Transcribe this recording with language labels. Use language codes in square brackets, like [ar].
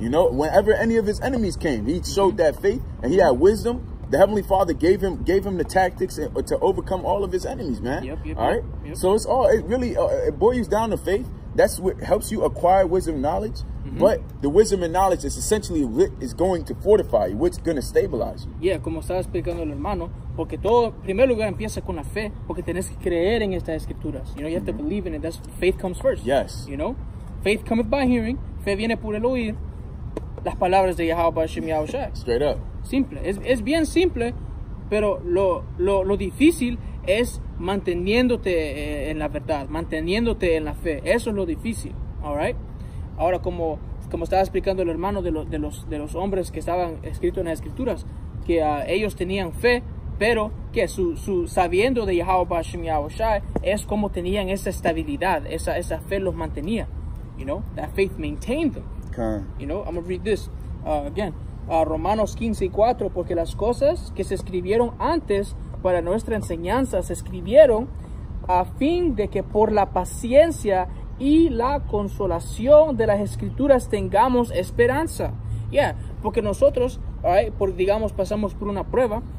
[en] You know, whenever any of his enemies came, he showed mm-hmm. that faith, and he had wisdom. The Heavenly Father gave him the tactics to overcome all of his enemies, man. Yep, all right? Yep. So it boils down to faith. That's what helps you acquire wisdom and knowledge, mm-hmm. But the wisdom and knowledge is essentially what is going to fortify you, what's going to stabilize you. [es] Yeah, como estaba explicando el hermano, porque todo, en primer lugar, empieza con la fe, porque tenés que creer en estas escrituras. [en] You know, you have mm-hmm. to believe in it. That's faith comes first. Yes. You know, faith cometh by hearing. [es] Fe viene por el oír las palabras de Yahweh para Hashem Yahweh Shai. [en] Straight up. Simple. [es] Es bien simple, pero lo difícil es manteniéndote en la verdad, manteniéndote en la fe. Eso es lo difícil. [en] All right. [es] Ahora, como estaba explicando el hermano de los hombres que estaban escritos en las escrituras, que ellos tenían fe, pero que su sabiendo de Yahweh para Hashem Yahweh Shai es como tenían esa estabilidad, esa fe los mantenía. [en] You know, that faith maintained them. Okay. You know, I'm going to read this again. [es] Romanos 15 y 4, porque las cosas que se escribieron antes para nuestra enseñanza se escribieron a fin de que por la paciencia y la consolación de las escrituras tengamos esperanza. Yeah, porque nosotros, right, por, digamos, pasamos por una prueba.